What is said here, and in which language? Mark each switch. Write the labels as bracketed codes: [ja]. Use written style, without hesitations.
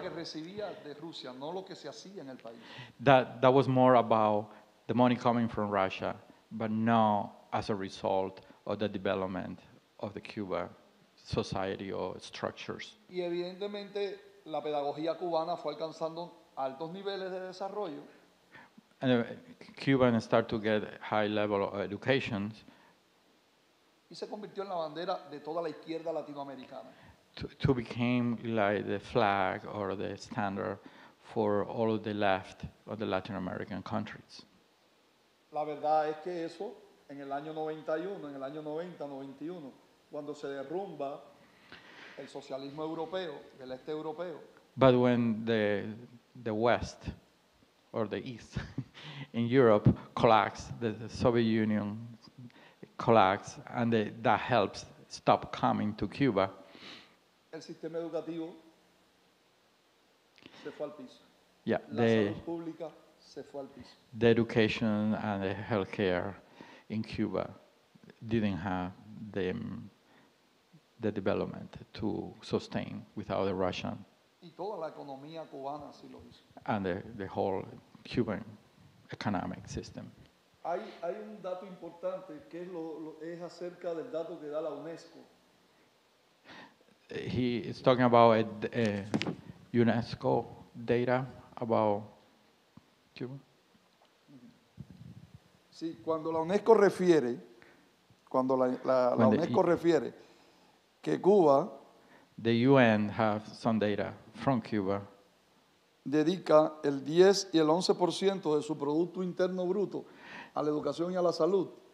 [es] Que recibía de Rusia, no lo que se hacía en el país. [en] That was more about the money coming from Russia, but not as a result or the development of the Cuba society or structures. [es] Y evidentemente la pedagogía cubana fue alcanzando altos niveles de desarrollo. [en] And Cubans start to get high level of education. [es] Y se convirtió en la bandera de toda la izquierda latinoamericana. [en] To became like the flag or the standard for all of the left of the Latin American countries. [es] La verdad es que eso en el año 91, en el año 90-91, cuando se derrumba el socialismo europeo, el este europeo. [en] But when the West, or the East, in Europe, collapsed, the Soviet Union collapsed, and that helps stop coming to Cuba. [es] El sistema educativo se fue al piso. [en] Yeah, [es] la salud pública [en] the education and the healthcare in Cuba didn't have the development to sustain without the Russian. [es] Y toda la economía cubana sí lo hizo. [en] And the whole Cuban economic system. [es] Hay un dato importante que es acerca del dato que da la UNESCO. [en] He is talking about a UNESCO data about Cuba. [es] Sí, cuando la UNESCO refiere, cuando la UNESCO refiere que Cuba, [en] the UN have some data from Cuba, [es] dedica el 10 y el 11% de su producto interno bruto a la educación y a la salud.